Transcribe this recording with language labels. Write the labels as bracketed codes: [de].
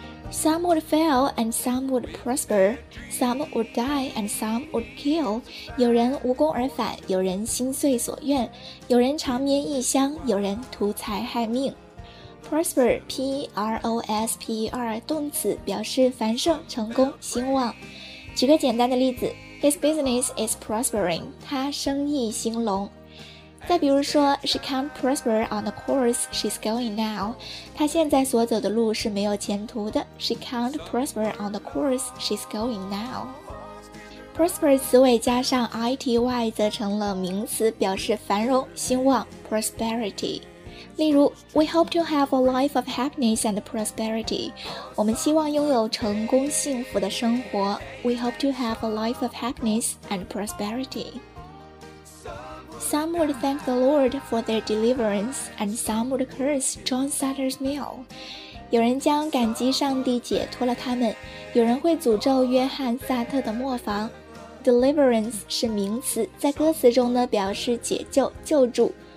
[en] Some would fail and some would prosper. Some would die and some would kill. [zh] 有人无功而返，有人心碎所愿，有人长眠异乡，有人图财害命。 Prosper, P-R-O-S-P-E-R, 动词，表示繁盛、成功、兴旺。举个简单的例子， [en] His business is prospering. [zh] 他生意兴隆。再比如说， [en] She can't prosper on the course she's going now. [zh] 她现在所走的路是没有前途的。 [en] She can't prosper on the course she's going now. [zh] Prosper 词尾加上 ity 则成了名词，表示繁荣、兴旺， prosperity. 例如， [en] We hope to have a life of happiness and prosperity. [zh] 我们希望拥有成功幸福的生活。 [en] We hope to have a life of happiness and prosperity. Some would thank the Lord for their deliverance, and some would curse John Sutter's mill. [zh] 有人将感激上帝解脱了他们，有人会诅咒约翰·萨特的磨坊。 Deliverance 是名词，在歌词中呢表示解救、救助。